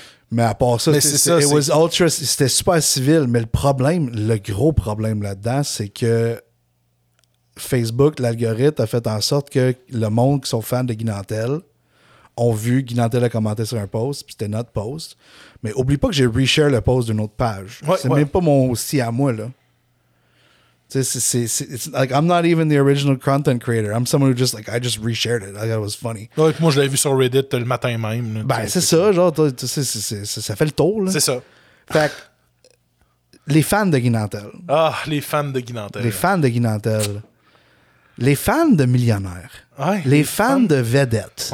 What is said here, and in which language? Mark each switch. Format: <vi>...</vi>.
<fr>Mais à part ça, c'était super civil. Mais le problème, le gros problème là-dedans, c'est que Facebook, l'algorithme, a fait en sorte que le monde qui sont fans de Guy Nantel ont vu Guy Nantel a commenté sur un post, puis c'était notre post. Mais oublie pas que j'ai reshare le post d'une autre page. Ouais, c'est ouais. Même pas mon aussi à moi, là.</fr> <en>It's like I'm not even the original content creator. I'm someone who just like I just reshared it. I thought it was funny.</en> <fr>Ouais, moi, je l'avais vu sur Reddit le matin même. Là, ben, c'est ça, genre, tu sais, ça fait le tour. Là. C'est ça. Fait que les fans de Guy Nantel. Ah, les fans de Guy Nantel. Les fans de Guy Nantel. Les fans de millionnaires. Ouais, les fans de vedettes.</fr>